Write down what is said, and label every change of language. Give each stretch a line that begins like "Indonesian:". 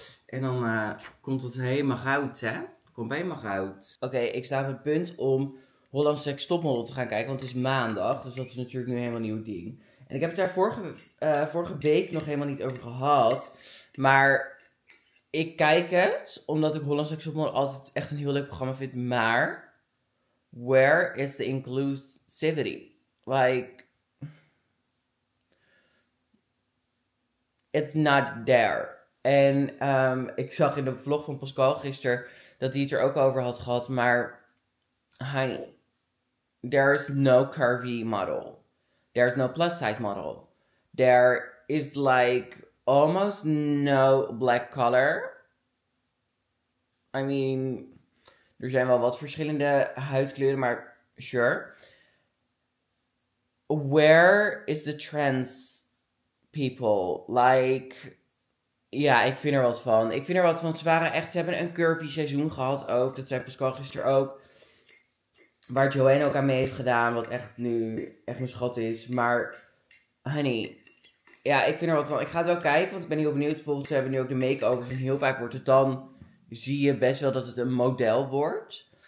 Dutch: En dan komt het helemaal goud, hè? Komt helemaal goud. Oké, ik sta op het punt om Holland's Next Topmodel te gaan kijken. Want het is maandag, dus dat is natuurlijk nu helemaal een nieuw ding. En ik heb het daar vorige week nog helemaal niet over gehad. Maar ik kijk het, omdat ik Holland's Next Topmodel altijd echt een heel leuk programma vind.
English: Maar, where is the inclusivity? Like, it's not there.
Dutch: En ik zag in de vlog van Pascal gisteren dat hij het er ook over had gehad.
English: Maar honey, there is no curvy model. There is no plus size model. There is like almost no black color. I mean,
Dutch: er zijn wel wat verschillende huidkleuren, maar sure.
English: Where is the trans people?
Dutch: Like, ja, ik vind er wat van. Ik vind er wat van. Ze waren echt, ze hebben een curvy seizoen gehad ook. Dat zei Pascal gisteren ook. Waar Joanne ook aan mee heeft gedaan. Wat echt nu echt een schat is. Maar, honey. Ja, ik vind er wat van. Ik ga het wel kijken, want ik ben heel benieuwd. Bijvoorbeeld, ze hebben nu ook de makeovers. En heel vaak wordt het dan, zie je best wel dat het een model wordt.